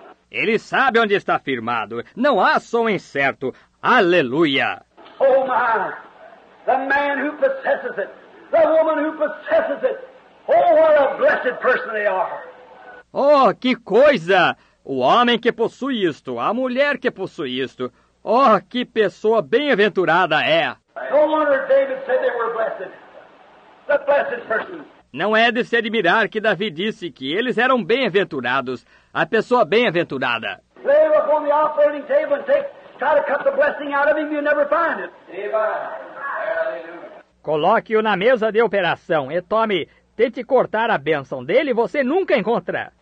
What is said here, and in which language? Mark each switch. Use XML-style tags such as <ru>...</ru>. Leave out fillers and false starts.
<pt>Ele sabe onde está firmado, não há som incerto. Aleluia!</pt> <en>Oh my, the man who possesses it, the woman who possesses it, oh what a blessed person they are.</en> <pt>Oh, que coisa! O homem que possui isto, a mulher que possui isto, oh que pessoa bem-aventurada é.</pt> <en>No wonder David said they were blessed, the blessed person.</en> <pt>Não é de se admirar que Davi disse que eles eram bem-aventurados, a pessoa bem-aventurada.</pt> <en>Lay up on the offering table and take. Try to cut the blessing out of him, you'll never find it.</en> <pt>Coloque-o na mesa de operação e tome, tente cortar a bênção dele, você nunca encontra.</pt>